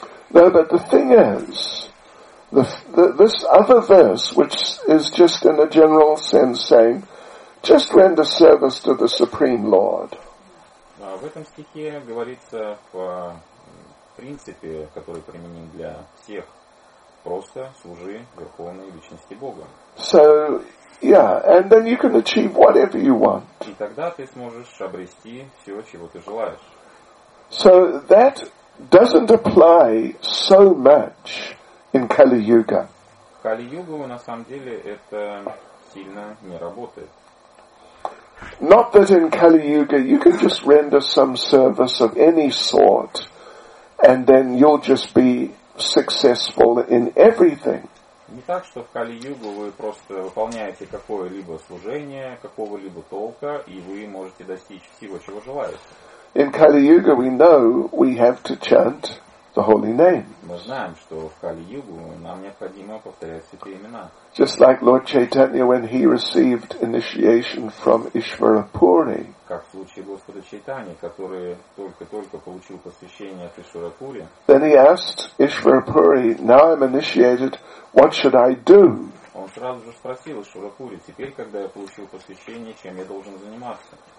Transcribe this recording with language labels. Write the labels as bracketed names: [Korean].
[English] No, but the thing is, this other verse, which is just in a general sense saying, just render service to the Supreme Lord. [Russian] В этом стихе говорится в принципе, который применим для всех, просто служи Верховной Личности Бога. [English] So, yeah, and then you can achieve whatever you want. [Russian] И тогда ты сможешь обрести все, чего ты желаешь. [English] So, that doesn't apply so much in Kali Yuga. [Russian] Kali Yuga, на самом деле, это сильно не работает. [English] Not that in Kali Yuga you can just render some service of any sort and then you'll just be successful in everything. [Russian] Не так, что в Кали-Югу вы просто выполняете какое-либо служение, какого-либо толка, и вы можете достичь всего, чего желаете. [English] In Kali-Yuga we know we have to chant the holy name. [Russian] Мы знаем, что в Кали-Югу нам необходимо повторять святые имена. [English] Just like Lord Chaitanya when he received initiation from Ishwarapuri. [Russian] Как в случае Господа Чайтани, который только-только получил посвящение от Ишварапури. [English] Then he asked Ishwarapuri, now I'm initiated, what should I do? [Russian] Он сразу же спросил Ишварапури, теперь, когда я получил посвящение, чем я должен заниматься?